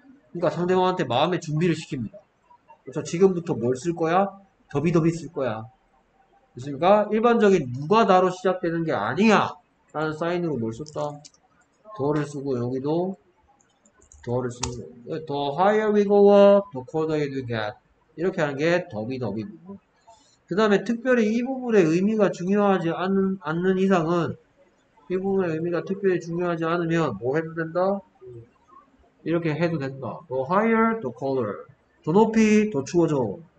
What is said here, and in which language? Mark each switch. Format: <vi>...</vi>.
<ko>그러니까 상대방한테 마음의 준비를 시킵니다. 그래서 지금부터 뭘쓸 거야? 더비더비 쓸 거야. 그렇습니까? 일반적인 누가 다로 시작되는 게 아니야! 라는 사인으로 뭘 썼다? 더를 쓰고 여기도 더를 쓰는 거예요.</ko> <en>The higher we go up, the colder it will get.</en> <ko>이렇게 하는 게 더비더비입니다. 그 다음에 특별히 이 부분의 의미가 중요하지 않는 이상은, 이 부분의 의미가 특별히 중요하지 않으면 뭐 해도 된다? 이렇게 해도 된다.</ko> <en>The higher, the colder.</en> <ko>더 높이, 더 추워져.</ko>